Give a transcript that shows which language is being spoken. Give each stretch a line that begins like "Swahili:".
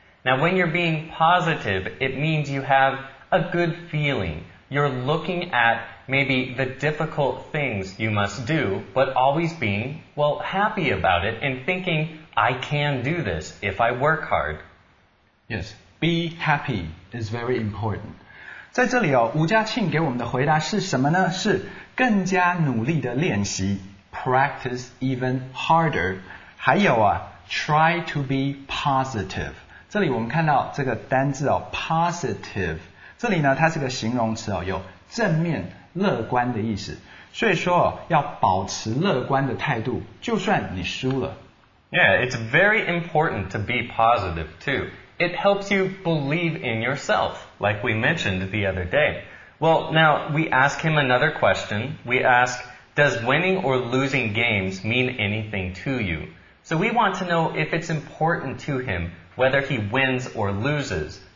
English: Now, when you're being positive, it means you have a good feeling. You're looking at maybe the difficult things you must do, but always being, well, happy about it and thinking, I can do this if I work hard. Yes, be happy is very important.
Chinese: 在这里，吴家庆给我们的回答是什么呢? 是更加努力的练习,
English: practice even harder.
Chinese: 还有啊,
English: try to be positive.
Chinese: 这里我们看到这个单字哦, positive. 这里呢, 它是个形容词哦, 有正面乐观的意思。所以说哦, 要保持乐观的态度, 就算你输了。
English: Yeah, it's very important to be positive too. It helps you believe in yourself, like we mentioned the other day. Well, now we ask him another question. We ask, does winning or losing games mean anything to you? So we want to know if it's important to him whether he wins or loses.